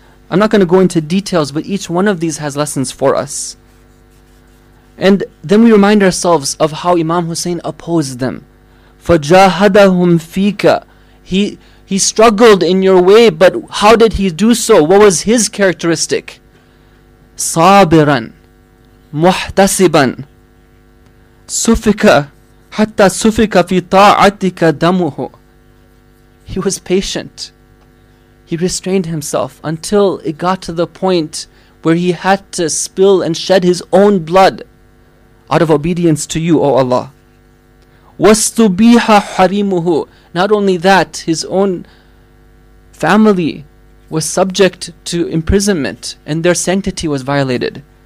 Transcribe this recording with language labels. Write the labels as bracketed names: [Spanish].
[English] I'm not going to go into details, but each one of these has lessons for us. And then we remind ourselves of how Imam Hussein opposed them. [Arabic] فَجَاهَدَهُمْ فِيكَ. [English] He struggled in your way, but how did he do so? What was his characteristic? [Arabic] صابراً محتسباً سفك حتى سفك في طاعتك دمه. [English] He was patient. He restrained himself until it got to the point where he had to spill and shed his own blood out of obedience to you, O Allah. [Arabic] وَاسْتُبِيحَ حَرِيمُهُ. [English] Not only that, his own family was subject to imprisonment and their sanctity was violated.